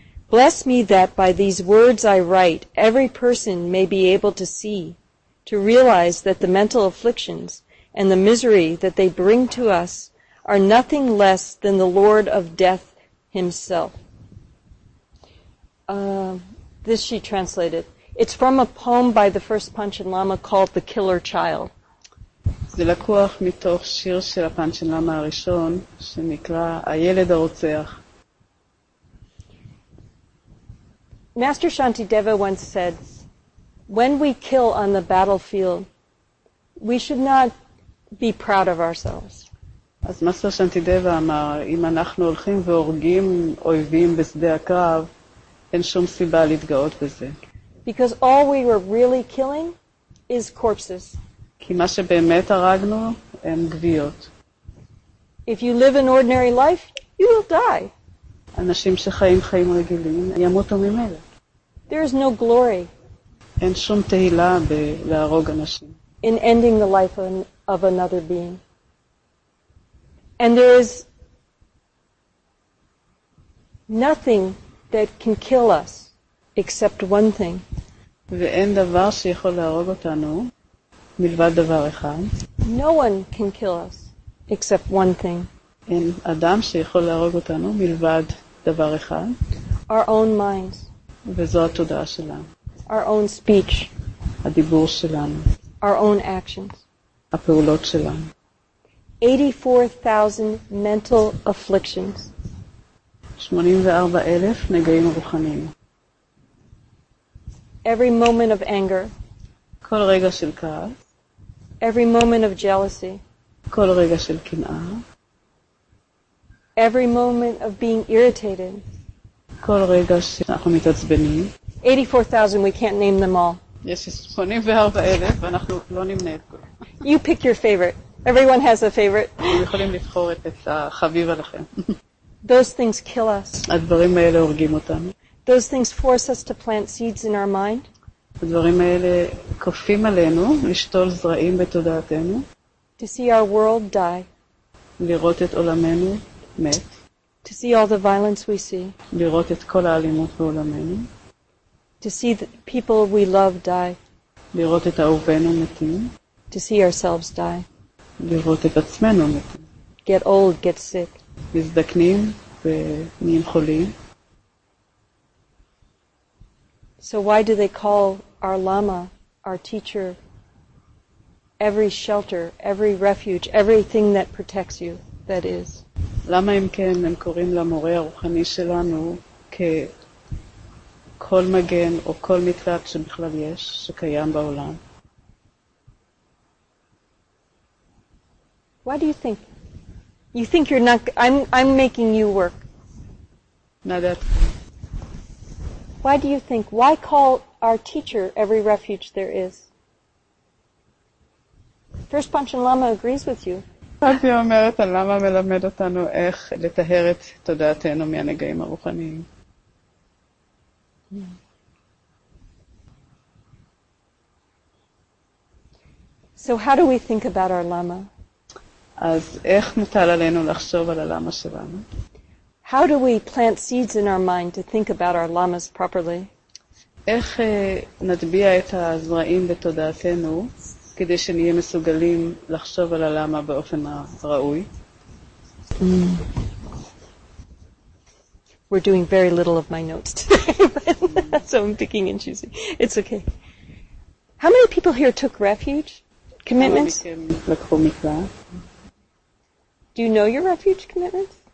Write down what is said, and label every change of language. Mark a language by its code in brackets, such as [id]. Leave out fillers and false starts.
[en] Bless me that by these words I write, every person may be able to see, to realize that the mental afflictions and the misery that they bring to us are nothing less than the Lord of Death himself. This she translated. It's from a poem by the first Panchen Lama called The Killer Child. [he] זה לקוח מתוך שיר של הפנצ'ן לאמה הראשון שנקרא הילד הרוצח. [en] Master Shantideva once said, when we kill on the battlefield, we should not be proud of ourselves. [he] אז מאסטר שנטידבה אמר, אם אנחנו הולכים והורגים אויבים בשדה הקרב, אין שום סיבה להתגאות בזה. [en] Because all we were really killing is corpses. [he] כי מה שבאמת הרגנו הם גוויות. [en] If you live an ordinary life, you will die. [he] אנשים שחיים חיים רגילים ימותו ממילא. [en] There is no glory. [he] אין שום תהילה בלהרוג אנשים. [en] In ending the life of another being. And there is nothing that can kill us. Except one thing. [he] ואין דבר שיכול להרוג אותנו מלבד דבר אחד. [en] No one can kill us except one thing. [he] אין אדם שיכול להרוג אותנו מלבד דבר אחד. [en] Our own minds. [he] וזו התודעה שלנו. [en] Our own speech. [he] הדיבור שלנו. [en] Our own actions. [he] הפעולות שלנו. [en] 84,000 mental afflictions. [he] 84,000 נגעים רוחניים. [en] Every moment of anger. [he] כל רגע של כעס. [en] Every moment of jealousy. [he] כל רגע של קנאה. [en] Every moment of being irritated. [he] כל רגע שאנחנו מתעצבנים. [en] 84,000, we can't name them all. [he] יש 84,000, ואנחנו לא נמנה את כל. [en] You pick your favorite. Everyone has a favorite. [he] אתם יכולים לבחור את החביב עליכם. [en] Those things kill us. [he] הדברים האלה הורגים אותנו. [en] Those things force us to plant seeds in our mind. [he] הדברים האלה כופים עלינו לשתול זרעים בתודעתנו. [en] To see our world die. [he] לראות את עולמנו מת. [en] To see all the violence we see. [he] לראות את כל האלימות בעולמנו. [en] To see the people we love die. [he] לראות את אהובינו מתים. [en] To see ourselves die. [he] לראות את עצמנו מתים. [en] Get old, get sick. [he] מזדקנים ונהיים חולים. [en] So why do they call our lama, our teacher, every shelter, every refuge, everything that protects you, that is? [he] למה הם כן הם קוראים למורה הרוחני שלנו ככל מגן או כל מקלט שבכלל יש, שקיים בעולם? [en] Why do you think? You think you're not, I'm making you work. Why do you think, why call our teacher every refuge there is? First Panchen Lama agrees with you. [he] Panchen אומרת, הלמה מלמד אותנו איך לטהר את תודעתנו מהנגעים הרוחניים. [en] So how do we think about our Lama? [he] אז איך מוטל עלינו לחשוב על הלמה שלנו? [en] How do we plant seeds in our mind to think about our lamas properly? [he] איך נטביע את הזרעים בתודעתנו כדי שנהיה מסוגלים לחשוב על הלמה באופן הראוי? [en] We're doing very little of my notes today, so I'm picking and choosing. It's okay. How many people here took refuge? Commitments? [he] לקחו מקלט. [en] Do you know your refuge commitments?